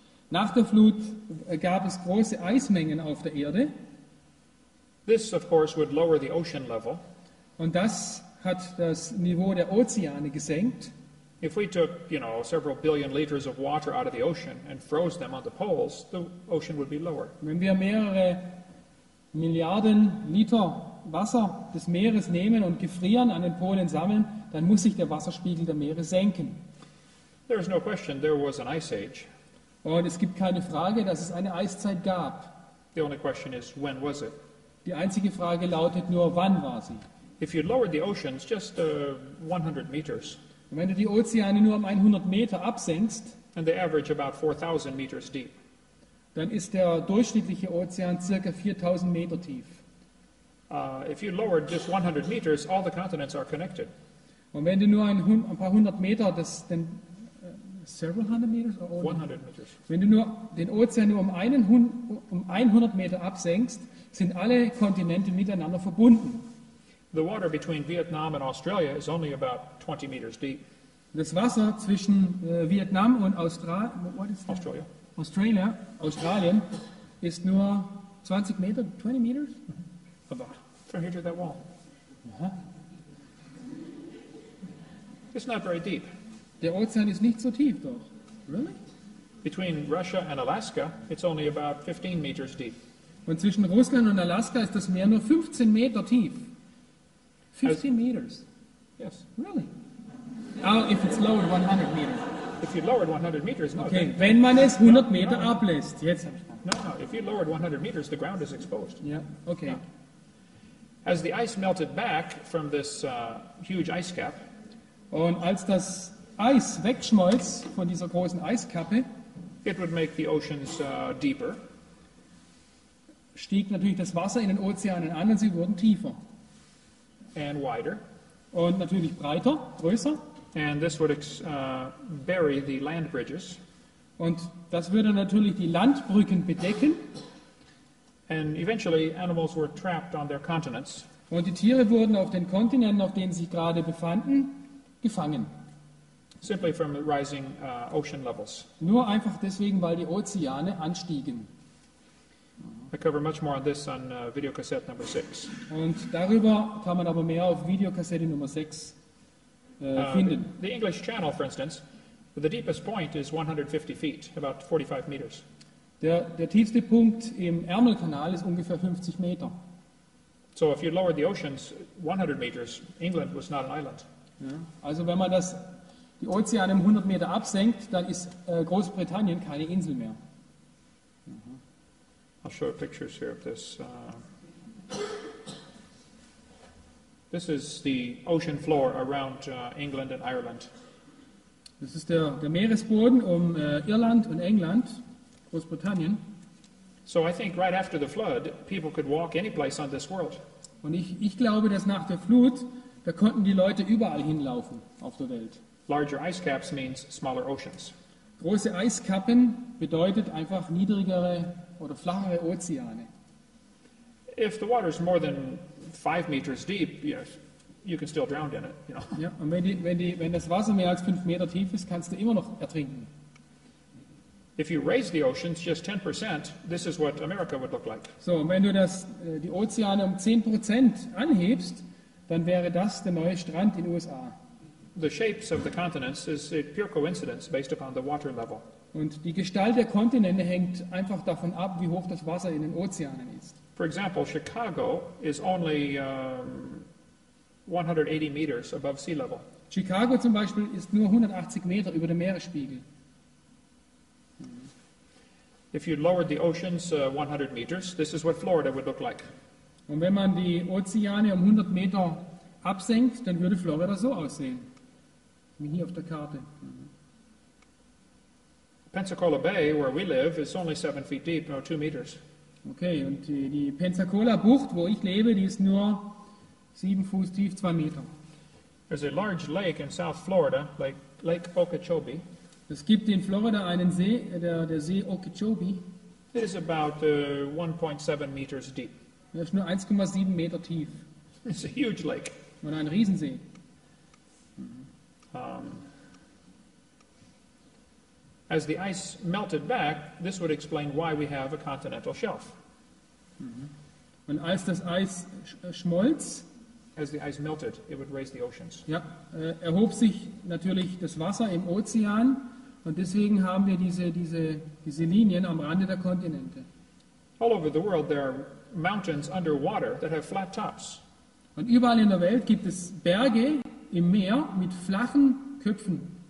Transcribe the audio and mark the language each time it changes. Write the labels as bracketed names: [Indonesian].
[German] Nach der Flut gab es große Eismengen auf der Erde. [English] This, of course, would lower the ocean level. [German] Und das hat das Niveau der Ozeane gesenkt. [English] If we took, you know, several billion liters of water out of the ocean and froze them on the poles, the ocean would be lower. [German] Wenn wir mehrere Milliarden Liter Wasser des Meeres nehmen und gefrieren, an den Polen sammeln, dann muss sich der Wasserspiegel der Meere senken. [English] There is no question there was an ice age. [German] Und es gibt keine Frage, dass es eine Eiszeit gab. [English] The only question is, when was it? [German] Die einzige Frage lautet nur, wann war sie? [English] If you lowered the oceans just 100 meters. [German] Und wenn du die Ozeane nur um 100 Meter absenkst, [English] and they average about 4,000 meters deep, [German] dann ist der durchschnittliche Ozean ca. 4000 Meter tief. [English] If you lower just 100 meters, all the continents are connected. [German] Und wenn du nur ein paar hundert Meter, das denn [English] several hundred meters or 100 meters. [German] Wenn du nur den Ozean nur um 100 Meter absenkst, sind alle Kontinente miteinander verbunden. [English] The water between Vietnam and Australia is only about 20 meters deep. [German] Das Wasser zwischen Vietnam und Australien. Australia, Australien, ist nur 20 Meter, [English] 20 meters? About. From here to that wall. Uh-huh. It's not very deep. [German] Der Ozean ist nicht so tief, doch. [English] Really? Between Russia and Alaska, it's only about 15 meters deep. [German] Und zwischen Russland und Alaska ist das Meer nur 15 Meter tief. [English] 15 meters? Yes. Really? Oh, if it's lowered 100 meters. If you lowered 100 meters, no. [German] Okay, wenn man es 100 Meter ablässt, jetzt. [English] No. If you lowered 100 meters, the ground is exposed. Yeah. Okay. As the ice melted back from this huge ice cap. [German] Und als das Eis wegschmolz von dieser großen Eiskappe, [English] it would make the oceans deeper. [German] Stieg natürlich das Wasser in den Ozeanen an, und sie wurden tiefer. [English] And wider. [German] Und natürlich breiter, größer. [English] And this would bury the land bridges. [German] Und das würde natürlich die Landbrücken bedecken. [English] And eventually animals were trapped on their continents. [German] Und die Tiere wurden auf den Kontinenten, auf denen sie gerade befanden, gefangen. [English] Simply from rising ocean levels. [German] Nur einfach deswegen, weil die Ozeane anstiegen. [English] I cover much more on this on video cassette number 6. [German] Und darüber kann man aber mehr auf Videokassette Nummer 6 finden. [English] The English Channel, for instance, the deepest point is 150 feet, about 45 meters. [German] Der tiefste Punkt im Ärmelkanal ist ungefähr 50 Meter. [English] So if you lowered the oceans 100 meters, England was not an island. [German] Ja, also wenn man die Ozeane um 100 Meter absenkt, dann ist Großbritannien keine Insel mehr. [English] I'll show pictures here of this. This is the ocean floor around England and Ireland. [German] Das ist der Meeresboden um Irland und England, Großbritannien. [English] So I think right after the flood, people could walk any place on this world. [German] Und ich glaube, dass nach der Flut, da konnten die Leute überall hinlaufen auf der Welt. [English] Larger ice caps means smaller oceans. [German] Große Eiskappen bedeutet einfach niedrigere oder flachere Ozeane. [English] If the water is more than 5 meters deep, yes, you can still drown in it, you know. [German] Ja, und wenn das Wasser mehr als 5 Meter tief ist, kannst du immer noch ertrinken. [English] If you raise the oceans just 10%, this is what America would look like. [German] So, wenn du das die Ozeane um 10% anhebst, dann wäre das der neue Strand in USA. [English] The shapes of the continents is a pure coincidence based upon the water level. [German] Und die Gestalt der Kontinente hängt einfach davon ab, wie hoch das Wasser in den Ozeanen ist. [English] For example, Chicago is only 180 meters above sea level. [German] Chicago zum Beispiel ist nur 180 Meter über dem Meeresspiegel. [English] If you lowered the oceans 100 meters, this is what Florida would look like. [German] Und wenn man die Ozeane um 100 Meter absenkt, dann würde Florida so aussehen, wie hier auf der Karte. [English] Pensacola Bay, where we live, is only 7 feet deep, no 2 meters. [German] Okay, und die Pensacola-Bucht, wo ich lebe, die ist nur 7 Fuß tief, 2 Meter. [English] There's a large lake in South Florida, Lake Okeechobee. [German] Es gibt in Florida einen See, der See Okeechobee. [English] It is about 1.7 meters deep. [German] Er ist nur 1,7 Meter tief. [English] It's a huge lake. [German] Und ein Riesensee. [English] As the ice melted back, this would explain why we have a continental shelf. [German] Und als das Eis schmolz, [English] as the ice melted, it would raise the oceans. [German] Ja, erhob sich natürlich das Wasser im Ozean. Und deswegen haben wir diese Linien am Rande der Kontinente. [English] All over the world there are mountains underwater that have flat tops. [German] Und überall in der Welt gibt es Berge im Meer mit flachen Köpfen.